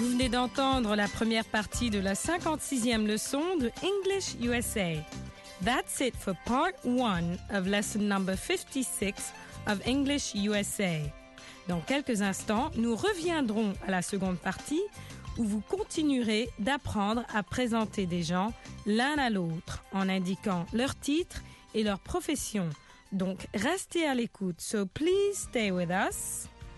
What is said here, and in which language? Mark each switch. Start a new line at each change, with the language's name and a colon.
French: D'entendre la première partie de la 56e leçon de English USA.
English: That's it for part one of lesson number 56 of English USA.
French: Dans quelques instants, nous reviendrons à la seconde partie où vous continuerez d'apprendre à présenter des gens l'un à l'autre en indiquant leur titre et leur profession. Donc, restez à l'écoute.
English: So please stay with us.